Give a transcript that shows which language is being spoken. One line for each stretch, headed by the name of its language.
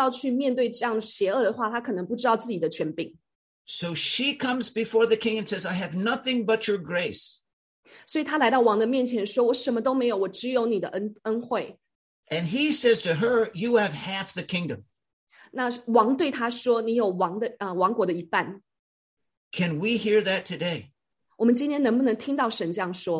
Chinese: 如果以斯帖她没有需要去面对这样邪恶的话，她可能不知道自己的权柄。
English: So she comes before the king and says, I have nothing but your grace.
Chinese: 所以他来到王的面前说，我什么都没有，我只有你的恩惠。
English: And he says to her, you have half the kingdom.
Chinese: 那王对他说，你有王的王国的一半。
English: Can we hear that today?
Chinese: 我们今天能不能听到神这样说？